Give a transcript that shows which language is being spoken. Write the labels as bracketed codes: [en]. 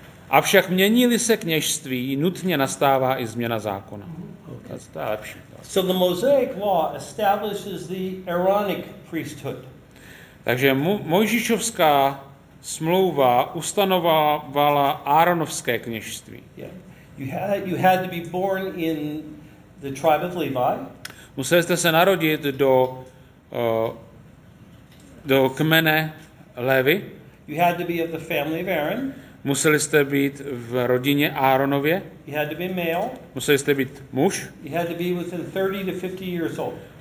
[cs] Avšak mění-li se kněžství, nutně nastává i změna zákona. Okay. To je lepší. [en] So the Mosaic law establishes the Aaronic priesthood. [cs] Takže Mojžíšovská smlouva ustanovovala Aaronovské kněžství. [en] Yeah. You had to be born in the tribe of Levi. [cs] Museli jste se narodit do kmene Levi. [en] You had to be of the family of Aaron. [cs] Museli jste být v rodině Aaronově. [en] You had to be male. [cs] Museli jste být muž. [en] You had to be within 30 to 50 years old.